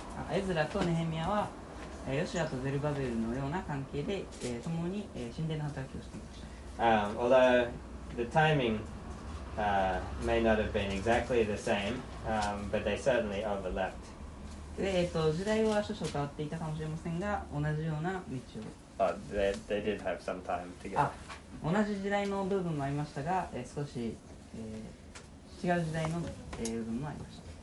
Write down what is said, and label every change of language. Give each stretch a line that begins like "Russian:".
Japanese: Ezra とネヘミヤはヨシュアとゼルバベルのような関係で共に神殿の働きをしていました。
English: Although the timing may not have been exactly the same, but they certainly overlapped.
Japanese: で時代は少々変わっていたかもしれませんが、同じような道を。
English: They did have some time together.
Japanese: 同じ時代の部分もありましたが、少し、違う時代の、部分もありました。